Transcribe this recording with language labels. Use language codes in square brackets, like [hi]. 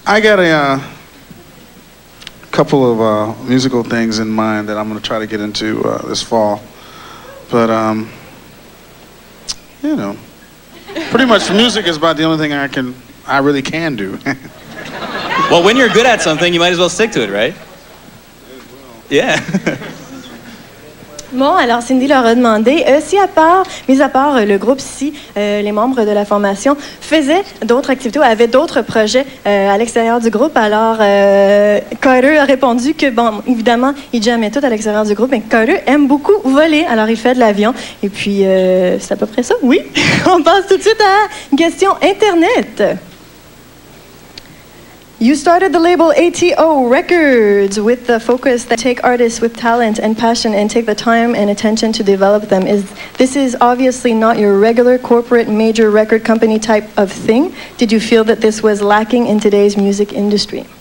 [en] I got a couple of musical things in mind that I'm going to try to get into this fall. But, you know, pretty much music is about the only thing I really can do. Well, when you're good at something, you might as well stick to it, right? Yeah. [fr] Bon, alors Cindy leur a demandé si mis à part le groupe, si les membres de la formation faisaient d'autres activités ou avaient d'autres projets à l'extérieur du groupe. Alors, Carter a répondu que, bon, évidemment, il jammait tout à l'extérieur du groupe, mais Carter aime beaucoup voler, alors il fait de l'avion. Et puis, c'est à peu près ça, oui. On passe tout de suite à la question Internet. [en] You started the label ATO Records with the focus that take artists with talent and passion and take the time and attention to develop them. This is obviously not your regular corporate major record company type of thing. Did you feel that this was lacking in today's music industry?